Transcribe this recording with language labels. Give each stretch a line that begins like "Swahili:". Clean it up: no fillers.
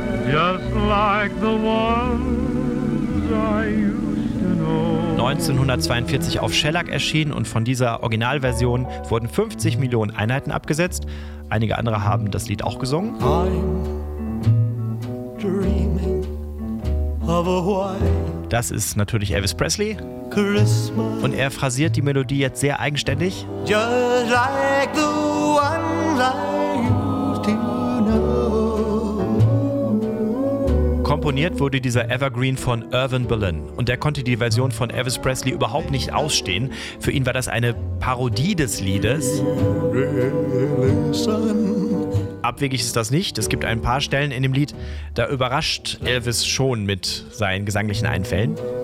English: Just like the ones I used to know.
German: 1942 auf Shellac erschienen und von dieser Originalversion wurden 50 Millionen Einheiten abgesetzt. Einige andere haben das Lied auch gesungen.
English: I'm dreaming of a white.
German: Das ist natürlich Elvis Presley. Christmas. Und er phrasiert die Melodie jetzt sehr eigenständig.
English: Just like the ones I used to know.
German: Komponiert wurde dieser Evergreen von Irving Berlin und der konnte die Version von Elvis Presley überhaupt nicht ausstehen. Für ihn war das eine Parodie des Liedes. Abwegig ist das nicht. Es gibt ein paar Stellen in dem Lied, da überrascht Elvis schon mit seinen gesanglichen Einfällen.